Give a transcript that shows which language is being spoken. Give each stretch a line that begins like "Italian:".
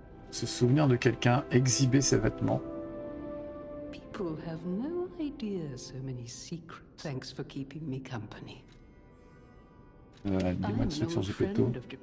French: Se souvenir de quelqu'un, exhiber ses vêtements.
English: People have no idea so many secrets. Thanks for keeping me company.
French: Dis-moi une instruction, Gepetto.